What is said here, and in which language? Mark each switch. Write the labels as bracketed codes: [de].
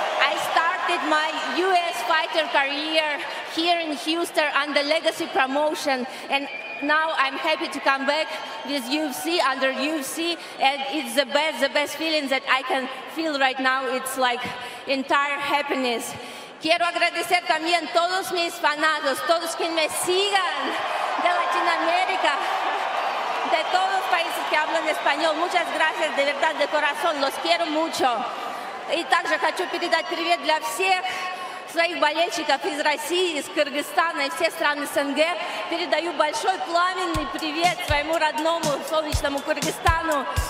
[en] I started my U.S. fighter career here in Houston under Legacy Promotion, and now I'm happy to come back with UFC, under UFC, and it's the best feeling that I can feel right now. It's like entire happiness. [es] Quiero agradecer también todos mis fanáticos, todos quienes me sigan de Latinoamérica, de todos los países que hablan español. Muchas gracias, de verdad, de corazón. Los quiero mucho. [ru] Y также хочу передать привет для всех своих болельщиков из России, из Кыргызстана и всех стран СНГ. Передаю большой пламенный привет своему родному солнечному Кыргызстану.